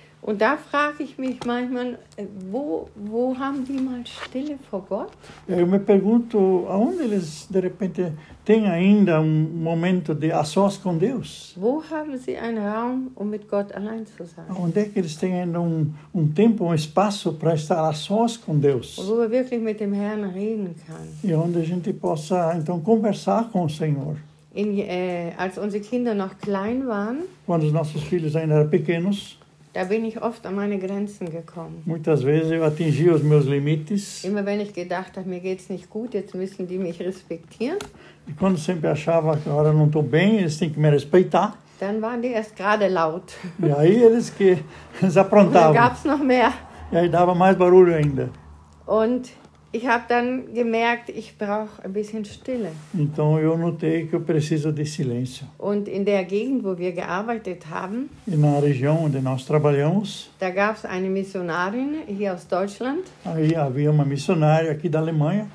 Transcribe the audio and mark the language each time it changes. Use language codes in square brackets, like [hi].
[de] Und da frage ich mich manchmal, wo haben die mal Stille vor Gott? [pt] Eu me pergunto aonde eles de repente têm ainda momento de a sós com Deus? [de] Wo haben sie einen Raum, mit Gott allein zu sein? [pt] Onde é que eles têm ainda tempo, espaço para estar a sós com Deus? [de] Wo man wirklich mit dem Herrn reden kann. [pt] E onde a gente possa então conversar com o Senhor. [de] Als unsere Kinder noch klein waren. [pt] Quando os nossos filhos ainda eram pequenos. [de] Da bin ich oft an meine Grenzen gekommen. [pt] Muitas vezes eu atingi os meus limites. [de] Immer wenn ich gedacht habe, mir geht's nicht gut, jetzt müssen die mich respektieren. [pt] E quando sempre achava que agora não estou bem, eles têm que me respeitar. [de] Dann waren die erst gerade laut. [pt] E aí eles aprontavam. [de] Dann gab's noch mehr. [pt] E aí dava mais barulho ainda. [de] Und ich habe dann gemerkt, ich brauche ein bisschen Stille. [pt] Então eu notei que eu preciso de silêncio. [de] Und in der Gegend, wo wir gearbeitet haben, [pt] e na região onde nós trabalhamos, [de] da gab es eine Missionarin hier aus Deutschland. [pt] Aí havia uma missionária aqui da Alemanha.